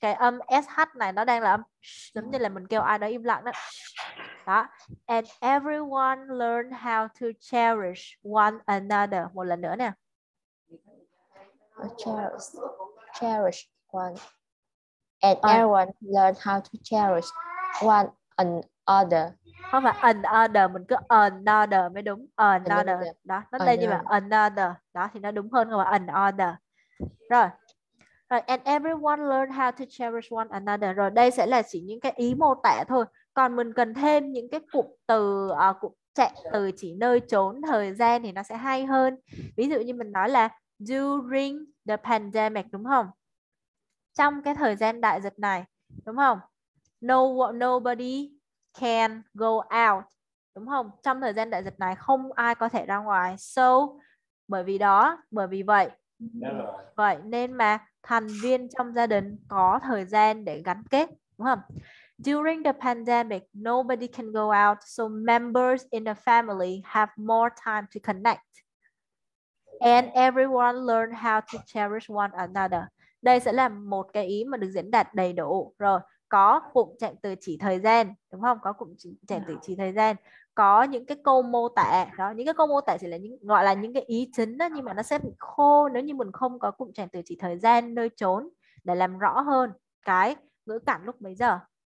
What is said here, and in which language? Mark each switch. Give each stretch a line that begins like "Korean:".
Vietnamese: Cái âm SH này nó đang là âm giống như là mình kêu ai đó im lặng đó. Đó.
English: And everyone learn how to cherish one another.
Vietnamese: Một lần nữa nè.
English: Cherish one. And everyone learn how to cherish one another.
Vietnamese: Không phải another, mình cứ another mới đúng. Another. Đó, nó tên như vậy. Another. Đó, thì nó đúng hơn không phải another. Rồi.
English: And everyone learn how to cherish one another.
Vietnamese: Rồi, đây sẽ là chỉ những cái ý mô tả thôi. Còn mình cần thêm những cái cụm từ, cụm trạng từ chỉ nơi chốn thời gian thì nó sẽ hay hơn. Ví dụ như mình nói là
English: during the pandemic,
Vietnamese: đúng không? Trong cái thời gian đại dịch này, đúng không?
English: Nobody can go out,
Vietnamese: đúng không? Trong thời gian đại dịch này không ai có thể ra ngoài. So, bởi vì vậy vậy nên mà thành viên trong gia đình có thời gian để gắn kết, đúng không?
English: During the pandemic, nobody can go out, so members in the family have more time to connect and everyone learn how to cherish one another.
Vietnamese: Đây sẽ là một cái ý mà được diễn đạt đầy đủ. Rồi, có cụm trạng từ chỉ thời gian, đúng không? Có cụm trạng từ chỉ thời gian, có những cái câu mô tả đó. Những cái câu mô tả chỉ là những gọi là những cái ý chính đó, nhưng mà nó sẽ bị khô nếu như mình không có cụm trạng từ chỉ thời gian, nơi chốn để làm rõ hơn cái ngữ cảnh lúc bấy giờ.